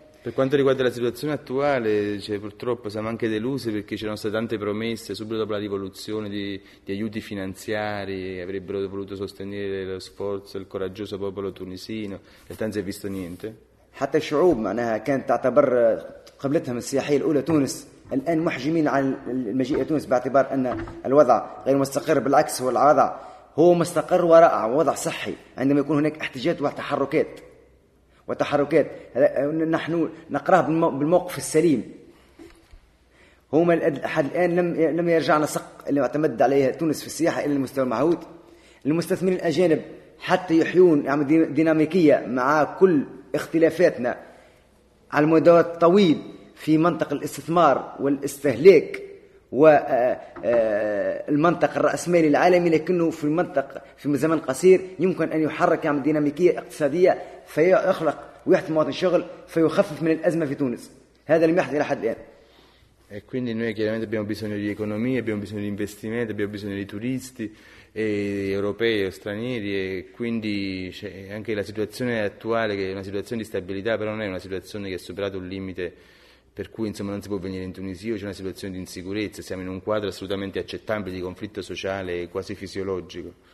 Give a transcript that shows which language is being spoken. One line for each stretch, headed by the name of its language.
Italian: Per quanto riguarda la situazione attuale, cioè, purtroppo siamo anche delusi perché c'erano state tante promesse subito dopo la rivoluzione di aiuti finanziari, avrebbero voluto sostenere lo sforzo, il coraggioso popolo tunisino, e tanto si è visto niente.
Arabic: حتى الشعوب معناها كانت تعتبر قبلتهم السياحيه الاولى تونس الان محجمين على المجيء الى تونس باعتبار ان الوضع غير مستقر, بالعكس هو الوضع هو مستقر ورائع ووضع صحي عندما يكون هناك احتجاجات وتحركات. وتحركات نحن نقراه بالموقف السليم, هما لحد الآن لم يرجع نسق اللي اعتمد عليه تونس في السياحة إلى المستوى المعهود. المستثمرين الأجانب حتى يحيون ديناميكية مع كل اختلافاتنا على المدى الطويل في منطق الاستثمار والاستهلاك والمنطق الرأسمالي العالمي, لكنه في المنطق في زمن قصير يمكن أن يحرك عم ديناميكية اقتصادية فيخلق ويحث مواطن الشغل فيخفف من الأزمة في تونس. هذا لم يحدث إلى حد الآن.
Italian: E quindi noi chiaramente abbiamo bisogno di economia, abbiamo bisogno di investimenti, abbiamo bisogno di turisti europei o stranieri, e quindi c'è anche la situazione attuale che è una situazione di stabilità, però non è una situazione che ha superato un limite per cui insomma non si può venire in Tunisia, c'è una situazione di insicurezza, siamo in un quadro assolutamente accettabile di conflitto sociale quasi fisiologico.